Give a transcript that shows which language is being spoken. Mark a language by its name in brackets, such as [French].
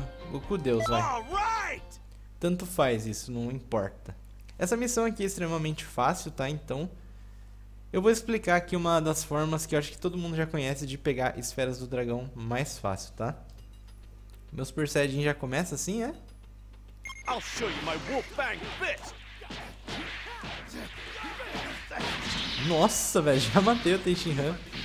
[Portuguese] Goku Deus, vai. Tanto faz isso, não importa. Essa missão aqui é extremamente fácil, tá? Então, eu vou explicar aqui uma das formas que eu acho que todo mundo já conhece de pegar esferas do dragão mais fácil, tá? Meu Super Saiyajin já começa assim, é? [English] I'll show you my Wolf Fang fist. [Portuguese] Nossa, velho, já matei o Teixinhan.